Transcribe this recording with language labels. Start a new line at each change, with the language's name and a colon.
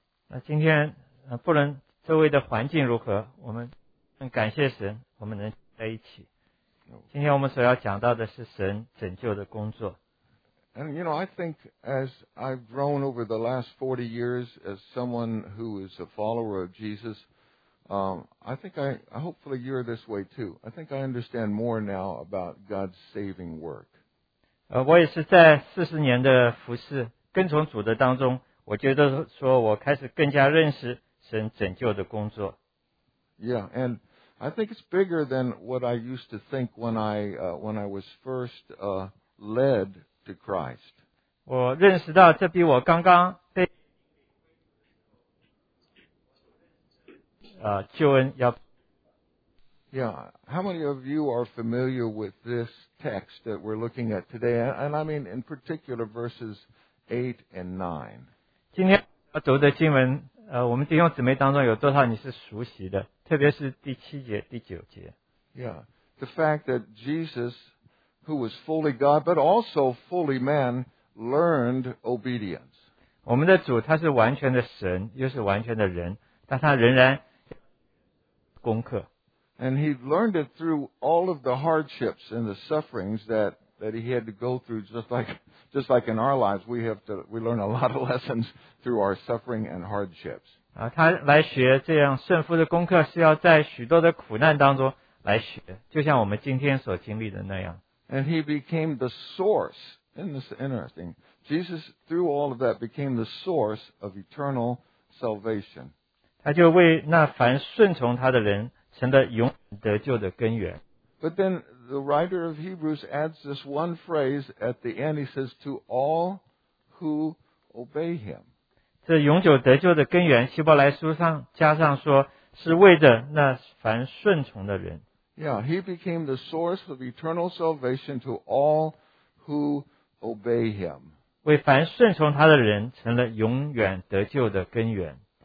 Chinese: 那今天不论周围的环境如何，我们很感谢神，我们能在一起。今天我们所要讲到的是神拯救的工作。
English: And you know, I think as I've grown over the last 40 years as someone who is a follower of Jesus, hopefully you're this way too. I think I understand more now about God's saving work.
Chinese: 我也是在40年的服事跟从主的当中，我觉得说我开始更加认识神拯救的工作。
English: Yeah, and I think it's bigger than what I used to think when I was first led to Christ.
Chinese: 我认识到这比我刚刚被救恩要。
English: Yeah, how many of you are familiar with this text that we're looking at today? And I mean, in particular, verses 8 and 9.
Chinese: 今天要读的经文，我们弟兄姊妹当中有多少你是熟悉的？特别是第七节、第九节。
English: Yeah, the fact that Jesus, who was fully God but also fully man, learned obedience.
Chinese: 我们的主他是完全的神，又是完全的人，但他仍然功课。
English: And he learned it through all of the hardships and the sufferings that he had to go through, just like in our lives, we learn a lot of lessons through our suffering and hardships.
Chinese: 他来学这样顺服的功课是要在许多的苦难当中来学，就像我们今天所经历的那样。
English: And he became the source, and this is interesting, Jesus through all of that became the source of eternal salvation.
Chinese: 他就为那凡顺从他的人成了永远得救的根源。
English: But then the writer of Hebrews adds this one phrase at the end, he says, to all who obey him.
Chinese: 这永久得救的根源，希伯来书上加上说，是为着那凡顺从的人。
English: Yeah, he became the source of eternal salvation to all who obey him.
Chinese: 为凡顺从他的人成了永远得救的根源。